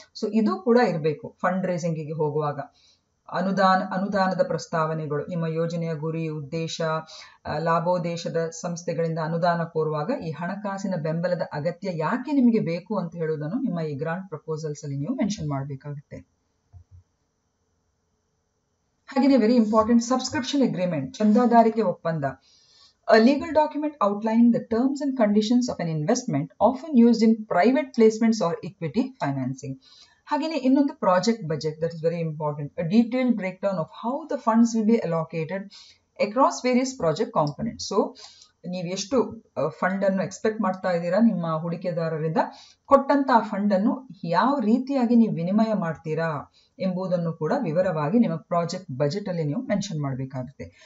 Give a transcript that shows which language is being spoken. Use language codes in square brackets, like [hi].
[kn] So ಇದು ಕೂಡ ಇರಬೇಕು ಫಂಡ್ ರೇಸಿಂಗ್ಗೆ ಹೋಗುವಾಗ. ಅನುದಾನದ ಪ್ರಸ್ತಾವನೆಗಳು, ನಿಮ್ಮ ಯೋಜನೆಯ ಗುರಿ, ಉದ್ದೇಶ, ಲಾಭೋದ್ದೇಶದ ಸಂಸ್ಥೆಗಳಿಂದ ಅನುದಾನ ಕೋರುವಾಗ ಈ ಹಣಕಾಸಿನ ಬೆಂಬಲದ ಅಗತ್ಯ ಯಾಕೆ ನಿಮಗೆ ಬೇಕು ಅಂತ ಹೇಳುವುದನ್ನು ನಿಮ್ಮ ಈ ಗ್ರಾಂಟ್ ಪ್ರಪೋಸಲ್ಸ್ ಅಲ್ಲಿ ನೀವು ಮೆನ್ಷನ್ ಮಾಡಬೇಕಾಗುತ್ತೆ. [en] ಹಾಗೆಯೇ very important, subscription agreement, [kn] ಚಂದಾದಾರಿಕೆ ಒಪ್ಪಂದ. [en] A legal document outlining the terms and conditions of an investment often used in private placements or equity financing. [kn] Hagine innond [en] project budget, that is very important. A detailed breakdown of how the funds will be allocated across various project components. [kn] So ನೀವು ಎಷ್ಟು fund ಅನ್ನು expect ಮಾಡ್ತಾ ಇದ್ದೀರಾ ನಿಮ್ಮ ಹೂಡಿಕೆದಾರರಿಂದ, ಕೊಟ್ಟಂತ fund ಅನ್ನು ಯಾವ ರೀತಿಯಾಗಿ ನೀವು ವಿನಿಮಯ ಮಾಡ್ತೀರಾ ಎಂಬುದನ್ನು ಕೂಡ ವಿವರವಾಗಿ ನಿಮ್ಮ ಪ್ರಾಜೆಕ್ಟ್ ಬಜೆಟ್ ಅಲ್ಲಿ ನೀವು ಮೆನ್ಷನ್ ಮಾಡಬೇಕಾಗುತ್ತೆ.